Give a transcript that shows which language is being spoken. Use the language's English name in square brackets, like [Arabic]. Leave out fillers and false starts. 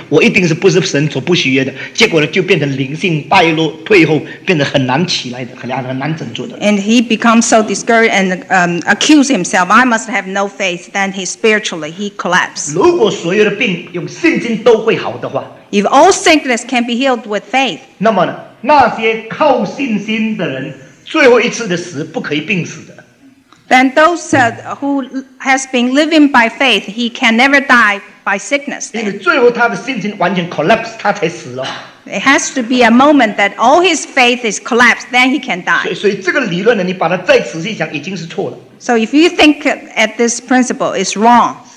[Chinese] 这些人就说糟糕，我是个没有信心的人，别人祷告会我没有，我一定怎么祷告都没有信心，我一定是不是神所不喜悦的。结果呢，就变成灵性败落退后，变得很难起来的，很难振作的。 [English] And he becomes so discouraged and accuse himself, I must have no faith. Then he spiritually he collapsed. [Chinese] 如果所有的病用信心都会好的话， [English] if all sickness can be healed with faith, [Chinese] 那么呢, 那些靠信心的人, 最后一次的死, 不可以病死的。 [English] Then those who has been living by faith, he can never die by sickness. [Chinese] 因为最后他的信心完全 collapse, 他才死了。 [English] It has to be a moment that all his faith is collapsed, then he can die. [Chinese] 所以这个理论呢, 你把它再仔细想, 已经是错了。 [English] So if you think at this principle, it's wrong.